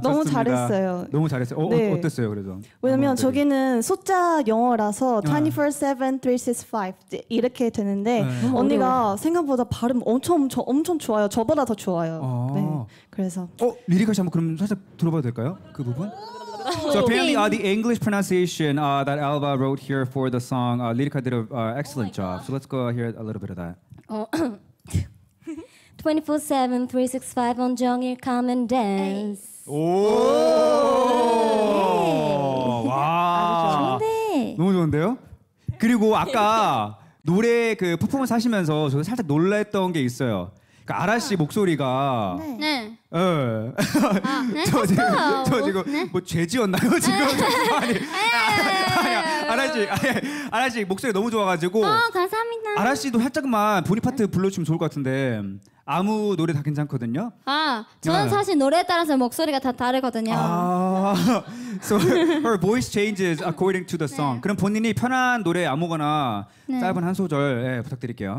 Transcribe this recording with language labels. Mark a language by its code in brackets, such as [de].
[ko] 너무 잘했어요. 너무 잘했어요. 네. 어땠어요, 그래도? 왜냐면 저기는 숫자 영어라서 24-7-365 이렇게 되는데 언니가 생각보다 발음 엄청 좋아요. 저보다 더 좋아요. 아. 네, 그래서. 어, 리리카 씨 한번 그럼 살짝 들어봐도 될까요? 그 부분? [en] So apparently the English pronunciation that Alva wrote here for the song, Lirika did an excellent job. So let's go hear a little bit of that. 24-7-365 on 정일 come and dance. [ko] 오! 와! 너무 좋은데요? 그리고 아까 노래 그 퍼포먼스 하시면서 저 살짝 놀랬던 게 있어요. 그 아라 씨 목소리가 네. 네. 네. 저 지금 뭐 죄 지었나요? 지금 아니. 아라 씨 목소리 너무 좋아가지고 감사합니다. 아라 씨도 살짝만 본인 파트 불러주시면 좋을 것 같은데 아무 노래 다 괜찮거든요. 아 저는 사실 노래에 따라서 목소리가 다 다르거든요. [en] 아, so her voice changes according to the song. [ko] 네. 그럼 본인이 편한 노래 아무거나 네. 짧은 한 소절 네, 부탁드릴게요.